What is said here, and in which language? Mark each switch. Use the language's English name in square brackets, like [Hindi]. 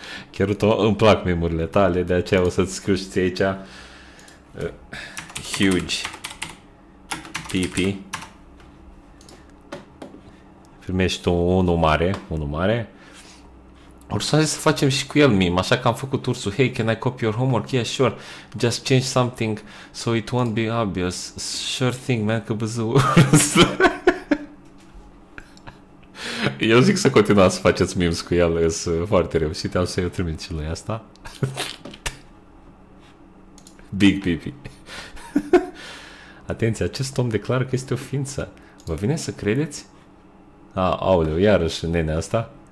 [Romanian] Cheruto, îmi plac memurile tale, de aceea o să-ți scriu și ție aici. [English] Huge pipi. [Romanian] Primești tu unul mare. Ursul să facem și cu el meme, așa că am făcut ursul. [English] Hey, can I copy your homework? Yeah, sure. Just change something so it won't be obvious. Sure thing, man, [Romanian] că buzău. Eu zic să continuați să faceți memes cu el, sunt foarte reușite, am să-i trimit și lui asta. [English] Big pipi. [Romanian] Atenție, acest om declară că este o ființă. Vă vine să credeți? A, aoleu, iarăși nenea asta.